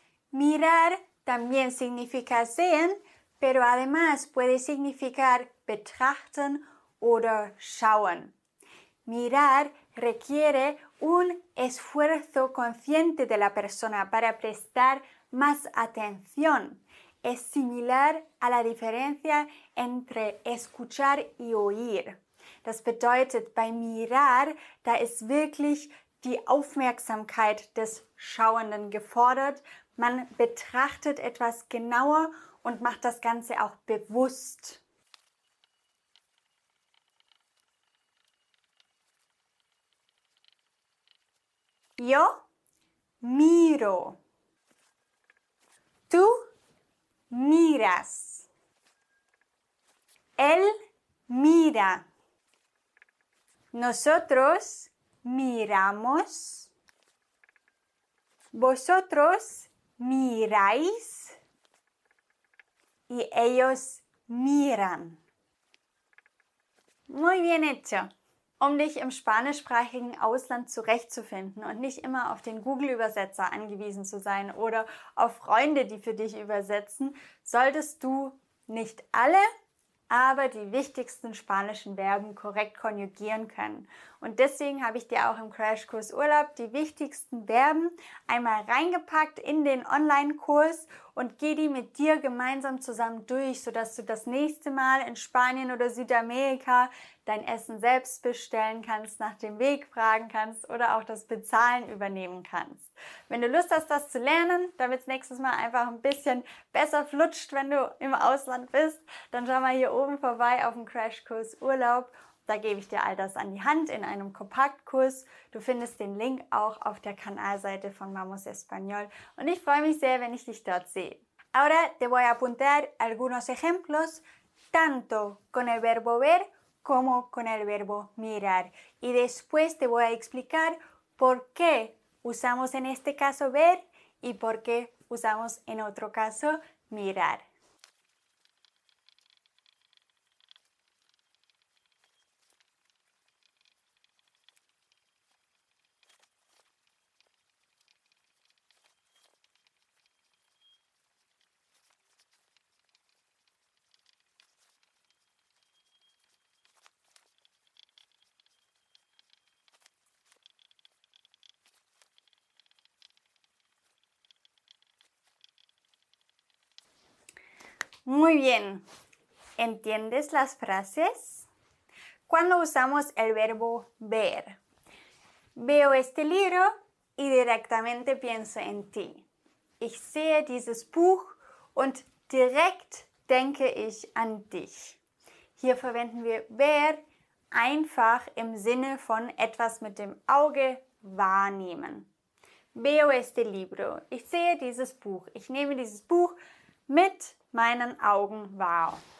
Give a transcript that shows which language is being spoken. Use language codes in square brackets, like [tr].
[es] Mirar también significa sehen, pero además puede significar [de] betrachten oder schauen. [es] Mirar requiere un esfuerzo consciente de la persona para prestar más atención. Es similar a la diferencia entre escuchar y oír. [de] Das bedeutet, bei mirar, da ist wirklich die Aufmerksamkeit des Schauenden gefordert. Man betrachtet etwas genauer und macht das Ganze auch bewusst. [es] Yo miro. Tú miras. Él mira. Nosotros miramos, vosotros miráis y ellos miran. Muy bien hecho. [de] Um dich im spanischsprachigen Ausland zurechtzufinden und nicht immer auf den Google-Übersetzer angewiesen zu sein oder auf Freunde, die für dich übersetzen, solltest du nicht alle, aber die wichtigsten spanischen Verben korrekt konjugieren können. Und deswegen habe ich dir auch im Crashkurs Urlaub die wichtigsten Verben einmal reingepackt in den Online-Kurs und gehe die mit dir gemeinsam zusammen durch, sodass du das nächste Mal in Spanien oder Südamerika dein Essen selbst bestellen kannst, nach dem Weg fragen kannst oder auch das Bezahlen übernehmen kannst. Wenn du Lust hast, das zu lernen, damit es nächstes Mal einfach ein bisschen besser flutscht, wenn du im Ausland bist, dann schau mal hier oben vorbei auf dem Crashkurs Urlaub. Da gebe ich dir all das an die Hand in einem Kompaktkurs. Du findest den Link auch auf der Kanalseite von Vamos Español. Und ich freue mich sehr, wenn ich dich dort sehe. [es] Ahora te voy a apuntar algunos ejemplos, tanto con el verbo ver como con el verbo mirar. Y después te voy a explicar por qué usamos en este caso ver y por qué usamos en otro caso mirar. Muy bien, ¿entiendes las frases? ¿Cuándo usamos el verbo ver? Veo este libro y directamente pienso en ti. [de] Ich sehe dieses Buch und direkt denke ich an dich. Hier verwenden wir ver einfach im Sinne von etwas mit dem Auge wahrnehmen. [es] Veo este libro. [de] Ich sehe dieses Buch. Ich nehme dieses Buch mit meinen Augen wahr.